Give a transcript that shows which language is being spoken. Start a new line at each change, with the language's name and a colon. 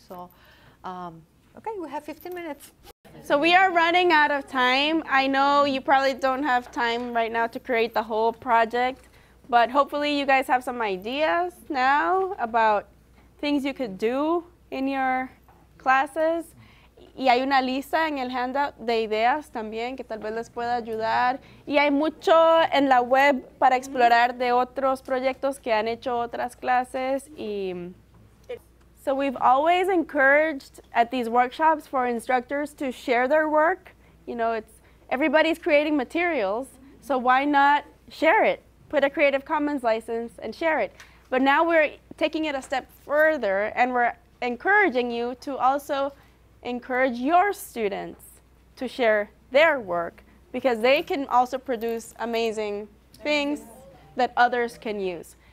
English: So, okay, we have 15 minutes. So we are running out of time. I know you probably don't have time right now to create the whole project, but hopefully you guys have some ideas now about things you could do in your classes.
Spanish: Y hay una lista en el handout de ideas también que tal vez les pueda ayudar. Y hay mucho en la web para explorar de otros proyectos que han hecho otras clases.
English: Y so we've always encouraged at these workshops for instructors to share their work. You know, it's everybody's creating materials, so why not share it? Put a Creative Commons license and share it. But now we're taking it a step further, and we're encouraging you to also encourage your students to share their work, because they can also produce amazing things that others can use.